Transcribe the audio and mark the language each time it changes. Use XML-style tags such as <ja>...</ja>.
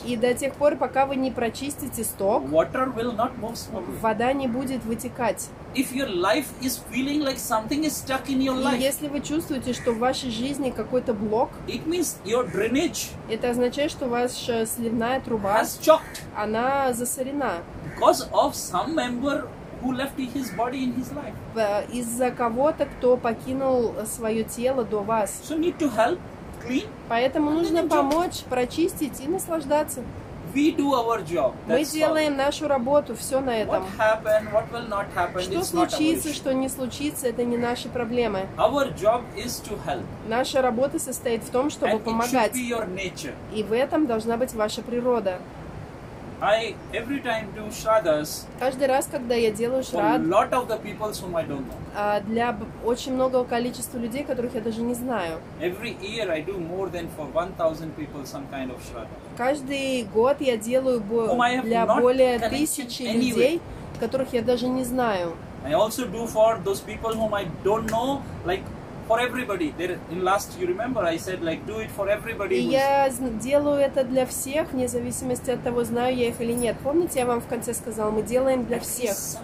<ru>и до тех пор, пока вы не прочистите сток,</ru> <en>water will not move smoothly.</en> <ru>Вода не будет вытекать.</ru> <en>If your life is feeling like something is stuck in your life,</en> <ru>и если вы чувствуете, что в вашей жизни какой-то блок,</ru> <en>it means your drainage,</en> <ru>это означает, что ваша сливная труба</ru> <en>has choked,</en> <ru>она засорена.</ru> <en>Because of some member who left his body in his life.</en> <ru>Из-за кого-то, кто покинул свое тело до вас.</ru> <en>So need to help, clean.</en> <ru>Поэтому нужно помочь, прочистить и наслаждаться.</ru> <en>We do our job. That's</en> <ru>мы делаем</ru> <en>all.</en> <ru>Нашу работу, все на этом.</ru> <en>What happened, what will not happen,</en> <ru>что случится, что не случится, это не наши проблемы.</ru> <en>Our job is to help.</en> <ru>Наша работа состоит в том, чтобы</ru> <en>and</en> <ru>помогать.</ru> <en>It should be your nature.</en> <ru>И в этом должна быть ваша природа.</ru> <en>I every time do shraddhas.</en> <ru>Каждый раз, когда я делаю шрад,</ru> <en>for a lot of the people whom I don't know.</en> <ru>Для очень многого количества людей, которых я даже не знаю.</ru> <en>Every year I do more than for 1,000 people some kind of shraddha.</en> <ru>Каждый год я делаю для более тысячи людей, которых я даже не знаю.</ru> <en>I also do for those people whom I don't know, like. For everybody. There, in last, you remember, I said, like, do it for everybody.</en> <ru>И я делаю это для всех, вне зависимости от того, знаю я их или нет. Помните, я вам в конце сказал, мы делаем для всех.</ru>